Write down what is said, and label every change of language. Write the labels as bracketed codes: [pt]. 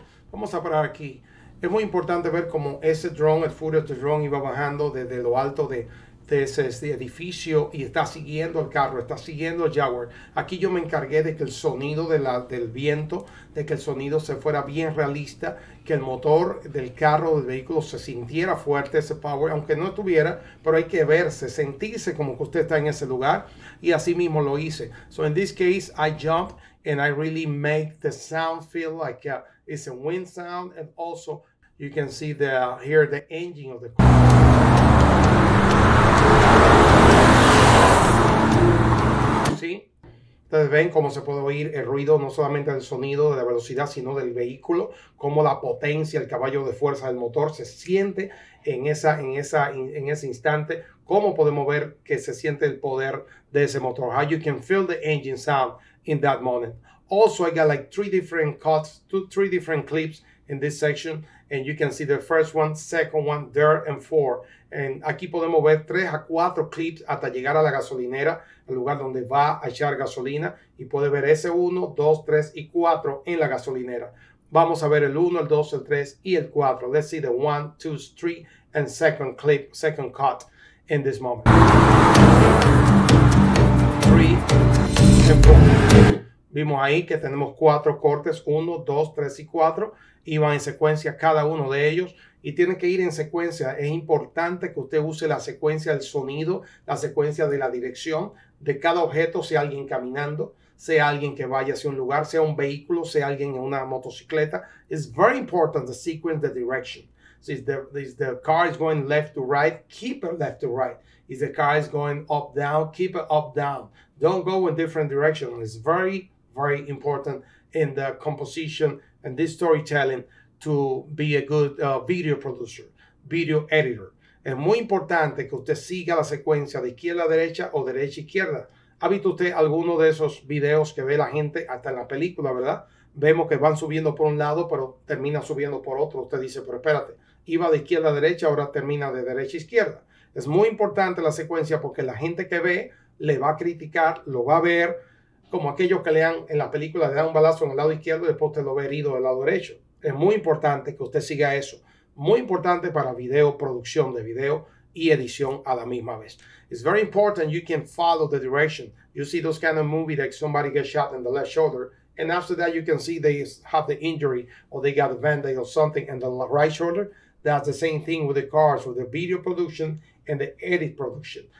[es] Vamos a parar aquí. Es muy importante ver cómo ese drone, el furio del drone, iba bajando desde lo alto de ese edificio y está siguiendo el carro, está siguiendo el Jaguar. Aquí yo me encargué de que el sonido de la, del viento, de que el sonido se fuera bien realista, que el motor del carro, del vehículo, se sintiera fuerte ese power, aunque no estuviera, pero hay que verse, sentirse como que usted está en ese lugar, y así mismo lo hice. [en] So in this case, I jump and I really make the sound feel like a, it's a wind sound, and also you can see the hear the engine of the car. [es] ¿Sí? Ustedes ven cómo se puede oír el ruido, no solamente del sonido, de la velocidad, sino del vehículo, cómo la potencia, el caballo de fuerza del motor se siente en, esa, en, esa, en ese instante. ¿Cómo podemos ver que se siente el poder de ese motor? [en] How you can feel the engine sound in that moment. Also, I got like three different cuts, three different clips in this section. And you can see the first one, second one, there, and four. [es] And aquí podemos ver 3 a 4 clips hasta llegar a la gasolinera, el lugar donde va a echar gasolina. Y puede ver ese 1, 2, 3, y 4 en la gasolinera. Vamos a ver el 1, el 2, el 3, y el 4. [en] Let's see the 1, 2, 3, and second clip, second cut in this moment. 3 and 4. [es] Vimos ahí que tenemos 4 cortes, 1, 2, 3 y 4, y van en secuencia cada uno de ellos, y tienen que ir en secuencia. Es importante que usted use la secuencia del sonido, la secuencia de la dirección de cada objeto, sea alguien caminando, sea alguien que vaya hacia un lugar, sea un vehículo, sea alguien en una motocicleta. [en] It's very important the sequence, the direction. If the car is going left to right, keep it left to right. If the car is going up, down, keep it up, down. Don't go in different directions. It's very, very important in the composition and this storytelling to be a good video producer, video editor. [es] Es muy importante que usted siga la secuencia de izquierda a derecha o derecha a izquierda. ¿Ha visto usted alguno de esos videos que ve la gente hasta en la película, verdad? Vemos que van subiendo por un lado, pero termina subiendo por otro. Usted dice, pero espérate, iba de izquierda a derecha, ahora termina de derecha a izquierda. Es muy importante la secuencia porque la gente que ve le va a criticar, lo va a ver como aquellos que lean en la película, le dan un balazo en el lado izquierdo y después te lo ve herido del lado derecho. Es muy importante que usted siga eso. Muy importante para video, producción de video y edición a la misma vez. [en] It's very important you can follow the direction. You see those kind of movies like somebody gets shot in the left shoulder and after that you can see they have the injury or they got a bandage or something in the right shoulder. That's the same thing with the cars, with the video production and the edit production.